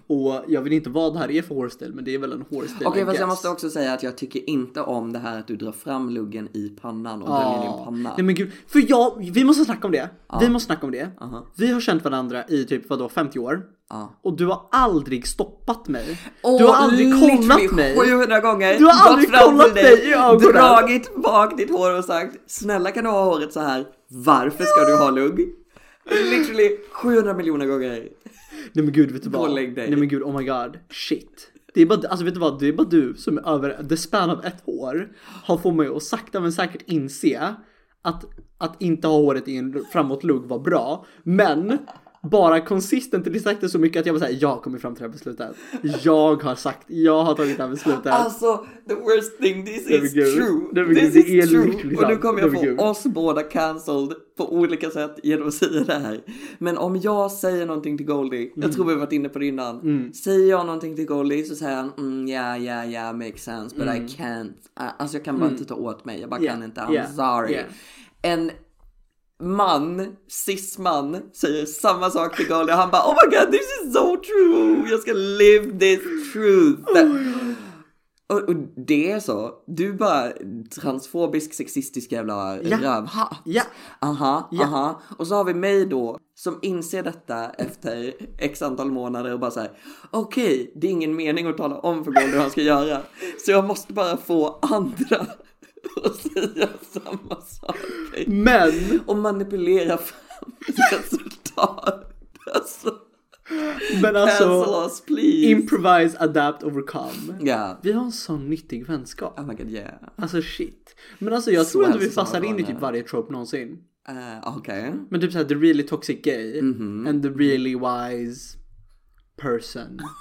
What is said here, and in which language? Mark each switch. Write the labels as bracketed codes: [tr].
[sv] Och jag vet inte vad det här är för hårstil, men det är väl en hårstil. Okej, okay, fast jag måste också säga att jag tycker inte om det här att du drar fram luggen i pannan och döljer din panna. Nej men gud, för jag, vi måste snacka om det. Ah. Vi måste snacka om det. Uh-huh. Vi har känt varandra i typ vadå 50 år. Ah. Och du har aldrig stoppat mig. Oh, du har aldrig kollat mig 700 gånger. Du har aldrig kollat mig. Dragit bak ditt hår och sagt, snälla kan du ha håret så här? Varför ska du ha lugg? Literally 700 miljoner gånger. Nej men gud, vet du vad? Pålägg dig. Nej men gud, [en] oh my god, shit. [sv] Det är bara, alltså vet du vad, det är bara du som är över [en] the span [sv] av ett hår har fått mig att sakta men säkert inse att inte ha håret i en framåt lugg var bra. Men bara consistent, det sagt det så mycket att jag bara såhär, jag kommer fram till det här beslutet. Jag har tagit det här beslutet. [en] Alltså, the worst thing, this is true. This is true. [sv] Och nu kommer jag få oss båda cancelled på olika sätt genom att säga det här. Men om jag säger någonting till Goldie, jag tror vi har varit inne på det innan. Säger jag någonting till Goldie så säger han, [en] yeah, makes sense, but I can't. [sv] Alltså jag kan bara inte ta åt mig, jag bara kan inte, [en] I'm sorry. [sv] En man, cis-man, säger samma sak till Goldie. Han bara, [en] oh my god, this is so true. [sv] Jag ska [en] live this truth. [sv] Oh, och det är så. Du bara transfobisk, sexistisk jävla rövhatt. Ja. Aha. Och så har vi mig då, som inser detta efter x antal månader och bara säger, okej, det är ingen mening att tala om för Goldie vad han ska göra. Så jag måste bara få andra och säga samma sak. Men och manipulera fram resultat. Alltså. Men alltså, [en] us, please. Improvise, adapt, overcome. Yeah. [sv] Vi har en sån nyttig vänskap. [en] Oh my god, yeah. [sv] Alltså shit. Men alltså jag tror att vi passar in i typ varje trope någonsin. Okej. Men typ såhär, [en] the really toxic gay and the really wise person.